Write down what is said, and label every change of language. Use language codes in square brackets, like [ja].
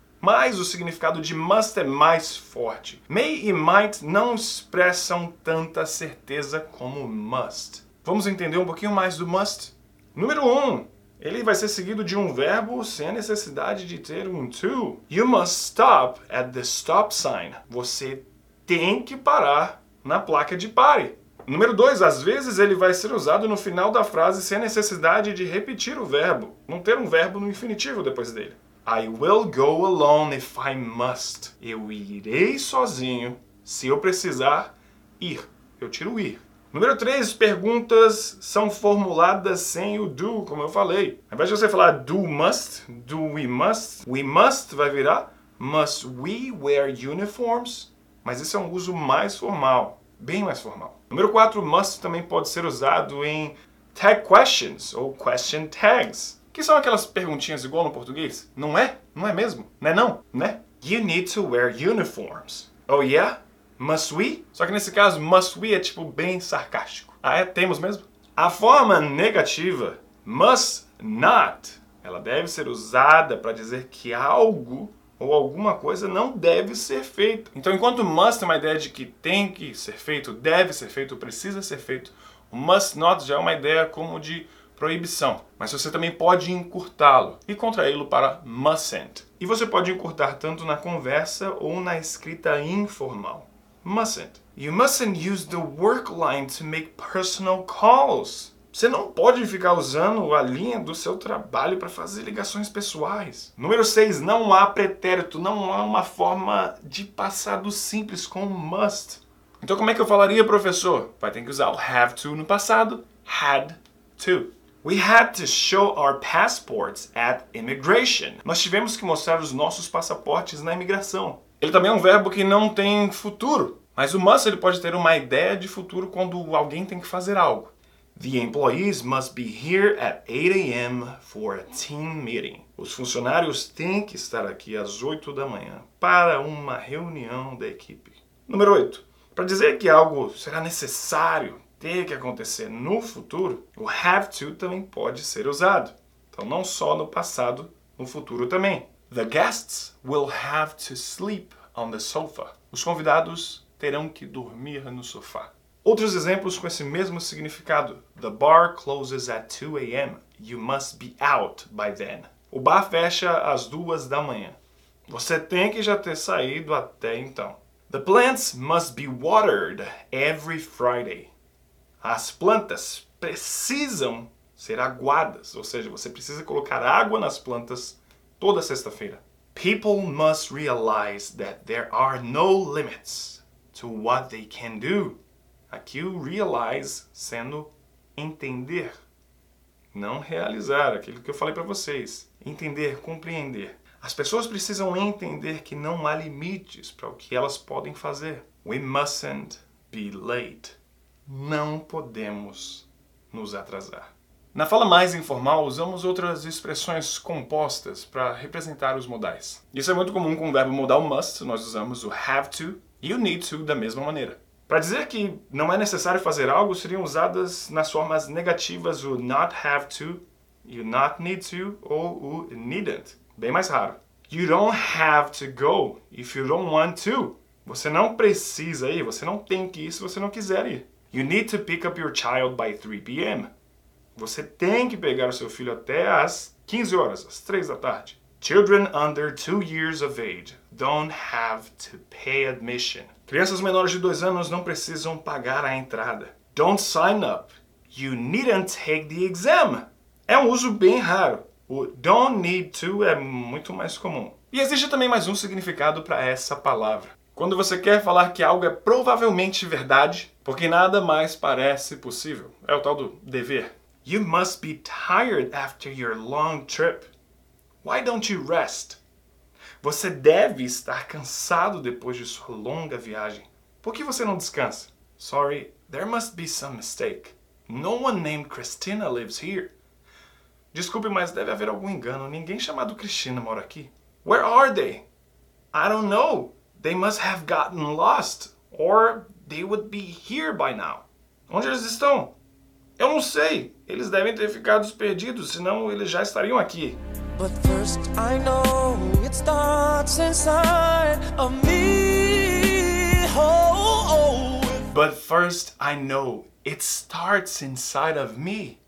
[pt] Mas o significado de must é mais forte. May e might não expressam tanta certeza como must. Vamos entender um pouquinho mais do must? Número 1. Ele vai ser seguido de um verbo sem a necessidade de ter um to. [en] You must stop at the stop sign. [pt] Você tem que parar na placa de pare. Número 2. Às vezes ele vai ser usado no final da frase sem a necessidade de repetir o verbo. Não ter um verbo no infinitivo depois dele. [en] I will go alone if I must. [pt] Eu irei sozinho se eu precisar ir. Eu tiro o ir. Número 3, perguntas são formuladas sem o do, como eu falei. Ao invés de você falar do must, we must vai virar [en] must we wear uniforms, [pt] mas esse é um uso mais formal, bem mais formal. Número 4, must também pode ser usado em tag questions ou question tags, que são aquelas perguntinhas igual no português. Não é? Não é mesmo? Não é não? Né? [en] You need to wear uniforms. Oh yeah? Must we? [pt] Só que nesse caso, must we é tipo bem sarcástico. Ah, é? Temos mesmo? A forma negativa, must not, ela deve ser usada para dizer que algo ou alguma coisa não deve ser feito. Então, enquanto must é uma ideia de que tem que ser feito, deve ser feito, precisa ser feito, o must not já é uma ideia como de proibição. Mas você também pode encurtá-lo e contraí-lo para mustn't. E você pode encurtar tanto na conversa ou na escrita informal. [en] Mustn't. You mustn't use the work line to make personal calls. [pt] Você não pode ficar usando a linha do seu trabalho para fazer ligações pessoais. Número 6. Não há pretérito. Não há uma forma de passado simples com must. Então como é que eu falaria, professor? Vai ter que usar o have to no passado. Had to. [en] We had to show our passports at immigration. [pt] Nós tivemos que mostrar os nossos passaportes na imigração. Ele também é um verbo que não tem futuro. Mas o must ele pode ter uma ideia de futuro quando alguém tem que fazer algo. [en] The employees must be here at 8 a.m. for a team meeting. [pt] Os funcionários têm que estar aqui às 8 da manhã para uma reunião da equipe. Número 8. Para dizer que algo será necessário ter que acontecer no futuro, o have to também pode ser usado. Então não só no passado, no futuro também. [en] The guests will have to sleep on the sofa. [pt] Os convidados terão que dormir no sofá. Outros exemplos com esse mesmo significado. [en] The bar closes at 2 a.m. You must be out by then. [pt] O bar fecha às 2 da manhã. Você tem que já ter saído até então. [en] The plants must be watered every Friday. [pt] As plantas precisam ser aguadas, ou seja, você precisa colocar água nas plantas toda sexta-feira. [en] People must realize that there are no limits to what they can do. [pt] Aqui o realize sendo entender. não realizar, aquilo que eu falei para vocês. Entender, compreender. As pessoas precisam entender que não há limites para o que elas podem fazer. [en] We mustn't be late. [pt] Não podemos nos atrasar. Na fala mais informal, usamos outras expressões compostas para representar os modais. Isso é muito comum com o verbo modal must, nós usamos o have to e o need to da mesma maneira. Para dizer que não é necessário fazer algo, seriam usadas nas formas negativas o not have to e o not need to ou o needn't, bem mais raro. [en] You don't have to go if you don't want to. [pt] Você não precisa ir, você não tem que ir se você não quiser ir. [en] You need to pick up your child by 3 p.m. [pt] Você tem que pegar o seu filho até às 15 horas, às 3 da tarde. [en] Children under 2 years of age don't have to pay admission. [pt] Crianças menores de 2 anos não precisam pagar a entrada. [en] Don't sign up. You needn't take the exam. [pt] É um uso bem raro. O don't need to é muito mais comum. E existe também mais um significado para essa palavra. Quando você quer falar que algo é provavelmente verdade, porque nada mais parece possível. É o tal do dever. [en] You must be tired after your long trip. Why don't you rest? [pt] Você deve estar cansado depois de sua longa viagem. Por que você não descansa? [en] Sorry, there must be some mistake. No one named Christina lives here. [pt] Desculpe, mas deve haver algum engano. Ninguém chamado Cristina mora aqui. [en] Where are they? I don't know. They must have gotten lost, or they would be here by now. [pt] Onde eles estão? Eu não sei. Eles devem ter ficado perdidos, senão eles já estariam aqui. [en] But first I know it starts inside of me. Oh, oh. But first I know it starts inside of me.